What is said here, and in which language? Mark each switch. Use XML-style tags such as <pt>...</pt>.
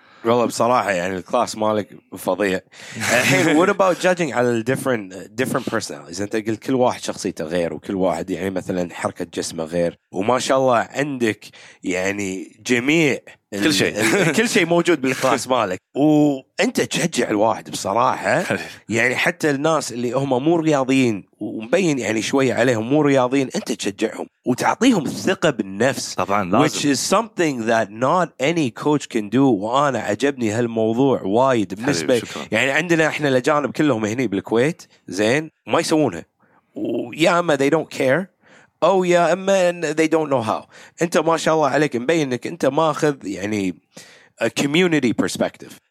<ar>والله بصراحة يعني الكلاس مالك فظيع. الحين</ar> <en>what about judging</en> <ar>على</ar> <en>different personalities؟</en> <ar>أنت قلت كل واحد شخصيته غير وكل واحد يعني مثلا حركة جسمه غير، وما شاء الله عندك يعني جميع كل شيء كل شيء موجود بالكلاس مالك، وانت تشجع الواحد بصراحه يعني حتى الناس اللي هم مو رياضيين ومبين يعني شويه عليهم مو رياضيين انت تشجعهم وتعطيهم الثقه بالنفس طبعا لازم.</ar> <en>which is something that not any coach can do.</en> <ar>وانا عجبني هالموضوع وايد بالنسبه يعني عندنا احنا الاجانب كلهم هنا بالكويت زين ما يسوونها ويا اما</ar> <en>they don't care</en> <ar>أو يا أما</ar> <en>they don't know how.</en> <ar>أنت ما شاء الله عليك مبين أنك أنت ماخذ يعني</ar> <en>a community perspective.</en>